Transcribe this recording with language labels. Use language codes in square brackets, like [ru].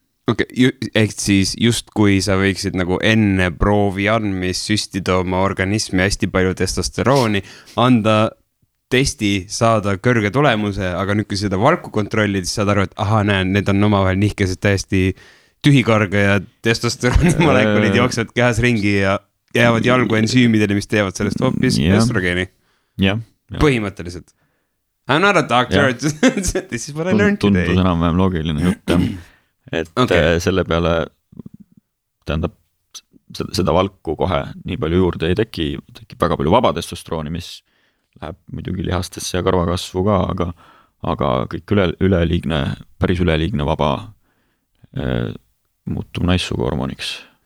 [et] Okei, ehk siis just kui sa võiksid nagu enne proovi andmis süstida oma organismi hästi palju testosterooni, anda testi, saada kõrge tulemuse, aga nüüd kui seda valku kontrollid, siis saad aru, et aha, näen, need on oma vahel nihkesed täiesti tühikarga ja testosterooni molekulid jooksevad kehas ringi ja jäävad jalgu ensüümidele, mis teevad sellest hoopis estrogeeni. Jah. Põhimõtteliselt. [en] I'm not a doctor, this is what I learned today. [et] Tundus enam vähem loogiline jutt, et selle peale tähendab seda valku kohe nii palju juurde ei teki, teki väga palju vaba testosterooni, mis läheb muidugi lihastesse ja karvakasvu ka, aga kõik üleliigne, päris üleliigne vaba muutub naissuguhormooniks.